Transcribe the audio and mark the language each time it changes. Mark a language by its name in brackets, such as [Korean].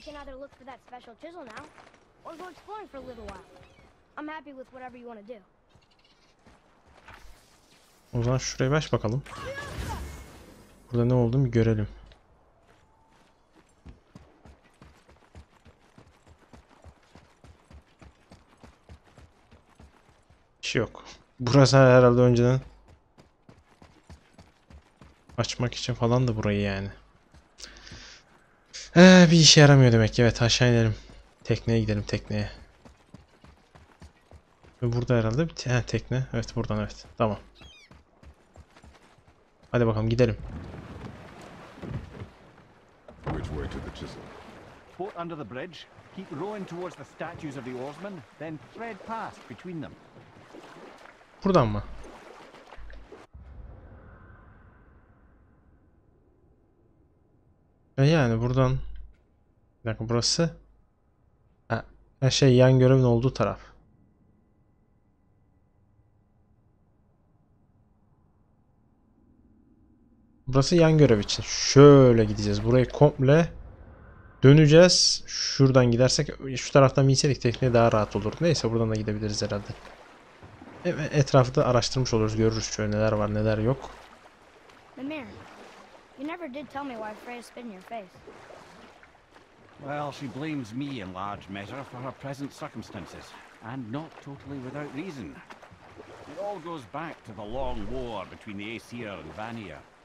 [English] Either look for that special chisel now, or go exploring for a little while. I'm happy with whatever you want to do. [Turkish] O zaman şuraya baş bakalım. Burada ne oldu bir görelim. Bir şey yok. Burası herhalde önceden açmak için falan da burayı yani. Bir işe yaramıyor demek ki. Evet, aşağı inelim. Tekneye gidelim, tekneye. Ve burada herhalde bir tekne. Evet, buradan evet. Tamam. Hadi bakalım gidelim. [English] to the chisel. Port under the bridge, keep rowing towards the statues of the oarsmen, then thread past between them. [Turkish] Buradan mı? Yani buradan. Bir dakika, burası. Şey, yan görevin olduğu taraf. Burası yan görev için. Şöyle gideceğiz. Burayı komple döneceğiz. Şuradan gidersek, şu taraftan binsedik tekne daha rahat olur. Neyse, buradan da gidebiliriz herhalde. Evet, etrafı da araştırmış oluruz. Görürüz şöyle neler var, neler yok. [English] Mimir, you never did tell me why Freya spit in your face. Well, she blames me in large measure for her present circumstances, and not totally without reason. It all goes back to the long war between the Aesir and Vanir.